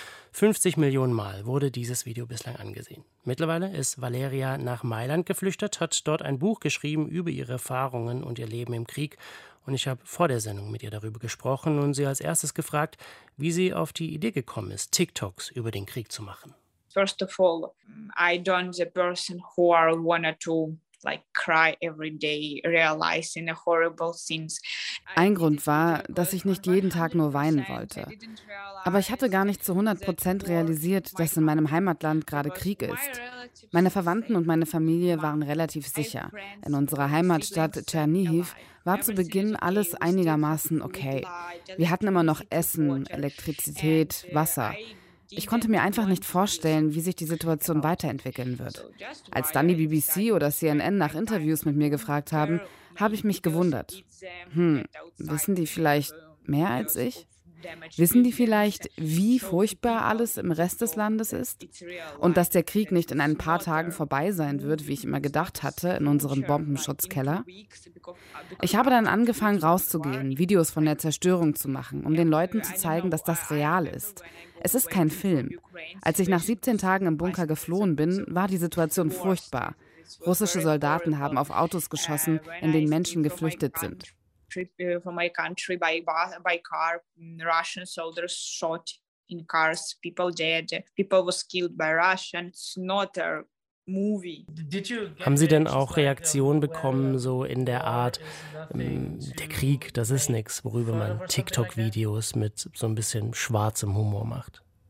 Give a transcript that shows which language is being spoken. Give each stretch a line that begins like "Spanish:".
German: 50 Millionen Mal wurde dieses Video bislang angesehen. Mittlerweile ist Valeria nach Mailand geflüchtet, hat dort ein Buch geschrieben über ihre Erfahrungen und ihr Leben im Krieg. Und ich habe vor der Sendung mit ihr darüber gesprochen und sie als erstes gefragt, wie sie auf die Idee gekommen ist, TikToks über den Krieg zu machen.
English: First of all, I don't the person who are wanna to like cry every day realizing the horrible things.
German: Ein Grund war, dass ich nicht jeden Tag nur weinen wollte. Aber ich hatte gar nicht zu 100% realisiert, dass in meinem Heimatland gerade Krieg ist. Meine Verwandten und meine Familie waren relativ sicher. In unserer Heimatstadt Tschernihiw war zu Beginn alles einigermaßen okay. Wir hatten immer noch Essen, Elektrizität, Wasser. Ich konnte mir einfach nicht vorstellen, wie sich die Situation weiterentwickeln wird. Als dann die BBC oder CNN nach Interviews mit mir gefragt haben, habe ich mich gewundert. Wissen die vielleicht mehr als ich? Wissen die vielleicht, wie furchtbar alles im Rest des Landes ist? Und dass der Krieg nicht in ein paar Tagen vorbei sein wird, wie ich immer gedacht hatte, in unserem Bombenschutzkeller? Ich habe dann angefangen, rauszugehen, Videos von der Zerstörung zu machen, um den Leuten zu zeigen, dass das real ist. Es ist kein Film. Als ich nach 17 Tagen im Bunker geflohen bin, war die Situation furchtbar. Russische Soldaten haben auf Autos geschossen, in denen Menschen geflüchtet sind.
English: From my country by car, Russian soldiers shot in cars, people dead, people was killed by Russians, not a movie.
German: Haben Sie denn auch Reaktionen bekommen, so in der Art, der Krieg, das ist nichts, worüber man TikTok-Videos mit so ein bisschen schwarzem Humor macht?